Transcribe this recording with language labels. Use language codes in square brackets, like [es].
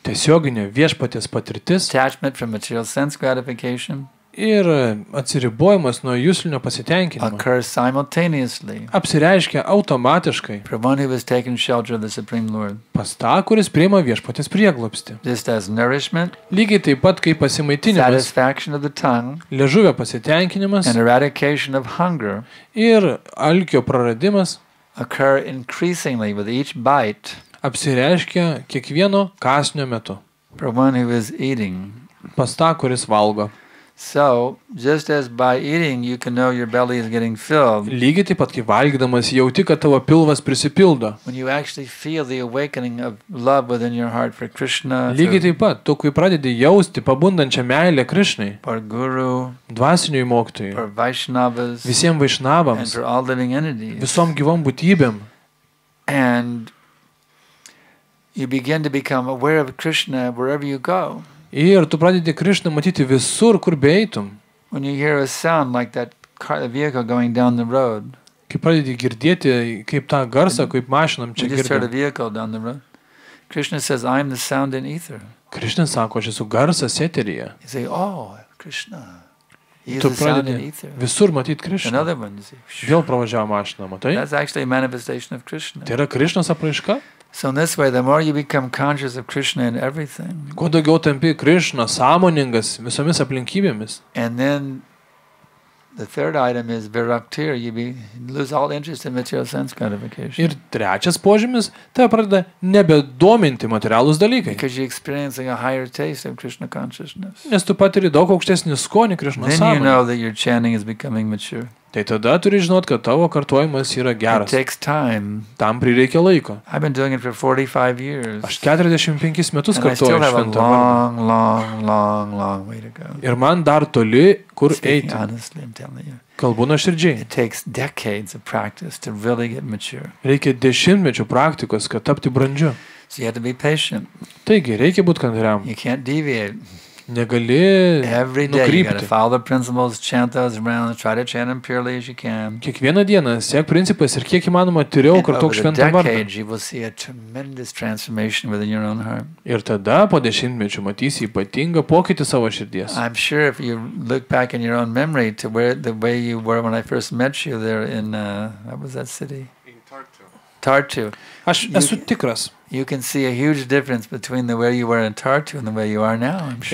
[lt] tiesioginė viešpaties patirtis, [en] detachment from material sense gratification, [lt] ir atsiribojimas nuo juslinio pasitenkinimo, [en] occurs simultaneously, [lt] apsireiškia automatiškai, [en] from one who has taken shelter of the Supreme Lord, [lt] pas tą, kuris priima viešpaties prieglobstį, [en] just as nourishment, [lt] lygiai taip pat kaip pasimaitinimas, [en] satisfaction of the tongue, [lt] liežuvio pasitenkinimas, [en] and eradication of hunger, [lt] ir alkio praradimas, [en] occur increasingly with each bite, [lt] apsireiškia kiekvieno kąsnio metu, [en] for one who is eating, [lt] pas tą, kuris valgo. [en] So, just as by eating you can know your belly is getting filled, [lt] lygiai taip pat, kai valgydamas jauti, kad tavo pilvas prisipildo, [en] when you actually feel the awakening of love within your heart for Krishna, [lt] lygiai taip pat, tu kai pradedi jausti pabundančią meilę Krishnai, [en] for guru, [lt] dvasiniui mokytojui, [en] for vaishnavas, [lt] visiems vaishnavams, [en] and for all living entities, [lt] visom gyvom būtybėm, [en] and you begin to become aware of Krishna wherever you go. [lt] Ir tu pradedi Krishna matyti visur, kur beeitum. [en] When you hear a sound like that car, the vehicle going down the road. [lt] Kai pradedi girdėti kaip tą garsą, kaip mašinam čia girdim. [en] You hear the vehicle down the road. Krishna says, I am the sound in ether. [lt] Krishna sako, aš esu garsas eteryje. [en] You say, oh, Krishna. [lt] Tu pradedi visur matyti Krishna. [en] Another one, you see. [lt] Vėl pravažiavo mašiną, matai? [en] That's actually a manifestation of Krishna. [lt] Tai yra Krishnos apraiška. [en] So in this way, the more you become conscious of Krishna in everything, [lt] kuo daugiau tampi Krishna sąmoningas visomis aplinkybėmis, [en] and then the third item is viraktir, you lose all interest in material sense gratification. [lt] Ir trečias požymis, tai pradeda nebedominti materialūs dalykai. [en] Because you're experiencing a higher taste of Krishna consciousness. [lt] Nes tu patiri daug aukštesnį skonį Krishna sąmonėje. [en] Then you know that your chanting is becoming mature. [lt] Tai tada turi žinot, kad tavo kartojimas yra geras. [en] It takes time. [lt] Tam prireikia laiko. [en] I've been doing it for 45 years. [lt] Aš 45 metus kartuoju šventą [en] long, long, long, long way to go. [lt] Ir man dar toli, kur eiti. [en] Honestly, I'm telling you. [lt] Kalbu nuo širdžiai. [en] It takes decades of practice to really get mature. [lt] Reikia dešimtmečių praktikos, kad tapti brandžiu. [en] So you have to be patient. [lt] Taigi, reikia būti kantriam. [en] You can't deviate. [lt] Negali [en] every day you gotta follow the principles, chant those around, try to chant them purely as you can. [lt] Kiekvieną dieną siek principais ir kiek įmanoma tyriau kartuok šventą vardą. Ir tada po dešimtmečių matysi ypatingą pokytį savo širdies. [en] I'm sure if you look back in your own memory to where the way you were when I first met you there in what was that city? In Tartu. Tartu. [lt] Aš esu tikras. [en] You can see a huge difference between the way you were in Tartu and the way you are now, I'm sure.